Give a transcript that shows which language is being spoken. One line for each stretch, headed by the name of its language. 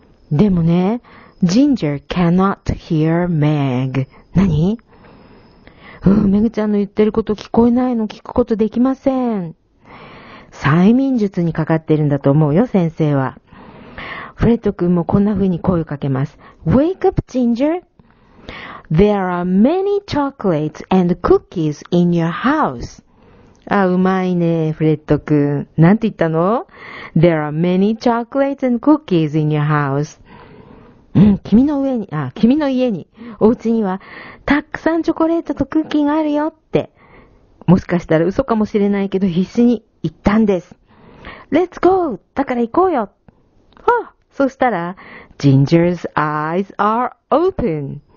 Japanese: でもね、
English: Ginger cannot hear Meg. 何？
Japanese: うん、めぐちゃんの言ってること聞こえないの、聞くことできません。催眠術にかかってるんだと思うよ、先生は。フレッド君もこんな風に声をかけます。
English: Wake up, Ginger! There are many chocolates and cookies in your house.
Japanese: あ、うまいね、フレッド君。なんて言ったの？ There are many chocolates and cookies in your house. うん、君の上に、あ、君の家に、お家には、たくさんチョコレートとクッキーがあるよって、もしかしたら嘘かもしれないけど必死に言ったんです。
English: Let's go!
Japanese: だから行こうよ。はあ、そしたら
English: Ginger's eyes are open。